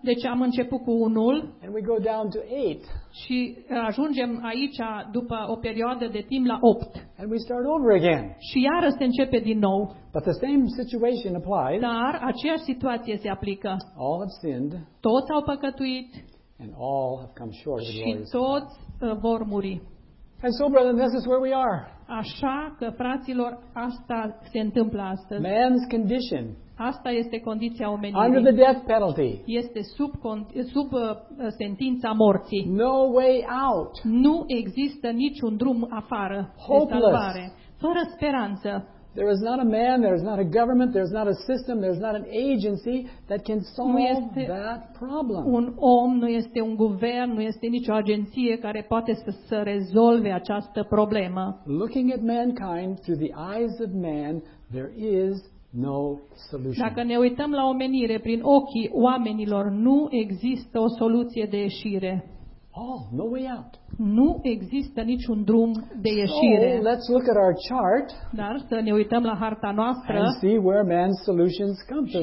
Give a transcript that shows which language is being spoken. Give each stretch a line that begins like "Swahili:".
Romanian: deci am început cu unul,
English: and we go down to 8.
Romanian: Și ajungem aici după o perioadă de timp la 8.
English: And we start over again.
Romanian: Și iară se începe din nou.
English: But the same situation applies.
Romanian: Dar aceeași situație se aplică.
English: All have sinned.
Romanian: Toți au păcătuit.
English: And all have come short of the glory.
Romanian: Și toți vor muri.
English: And so, brother, this is where we are.
Romanian: Așa că, fraților, asta se întâmplă astăzi.
English: Man's condition.
Romanian: Asta este condiția omenirii.
English: Under the death penalty.
Romanian: Este sub sentința morții.
English: No way out.
Romanian: Nu există niciun drum afară.
English: Hopeless.
Romanian: De salvare. Fără speranță.
English: There is not a man, there is not a government, there is not a system, there is not an agency that can solve that problem.
Romanian: Un om, nu este un guvern, nu este nicio agenție care poate să rezolve această problemă.
English: Looking at mankind through the eyes of man, there is no solution.
Romanian: Dacă ne uităm la omenire prin ochii oamenilor, nu există o soluție de ieșire.
English: Oh, no way out.
Romanian: Nu există niciun drum de ieșire.
English: So, let's look at our chart.
Romanian: Dar să ne uităm la harta noastră.
English: And see where man's solutions come from.